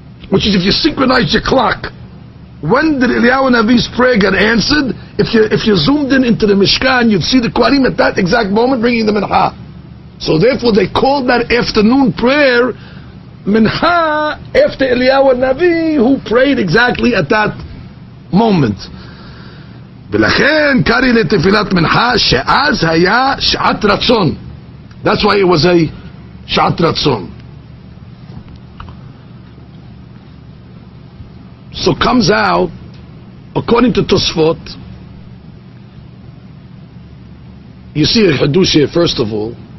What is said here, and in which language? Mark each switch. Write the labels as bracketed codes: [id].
[en] Which is, if you synchronize your clock, when did Eliyahu HaNavi's prayer get answered? If you zoomed in into the Mishkan, you'd see the Kohanim at that exact moment bringing the mincha. So therefore they called that afternoon prayer mincha after Eliyahu HaNavi, who prayed exactly at that moment. [he] ולכן קרי לתפילת מנחה שאז היה שעת רצון. [en] That's why it was a שעת רצון. So comes out, according to Tosfot, you see a Hiddush here, first of all,